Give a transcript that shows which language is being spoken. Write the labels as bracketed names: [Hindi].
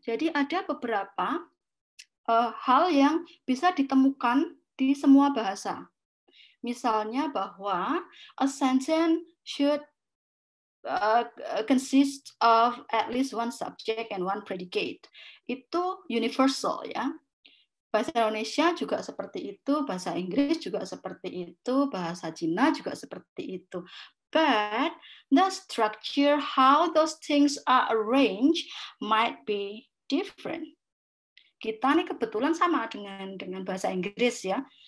[Indonesian] Jadi ada beberapa hal yang bisa ditemukan di semua bahasa. Misalnya bahwa [English] a sentence should consist of at least one subject and one predicate. [Indonesian] Itu universal, ya. Bahasa Indonesia juga seperti itu, bahasa Inggris juga seperti itu, bahasa Cina juga seperti itu. [English] But the structure, how those things are arranged, might be different. [Indonesian] Kita nih kebetulan sama dengan bahasa Inggris, ya.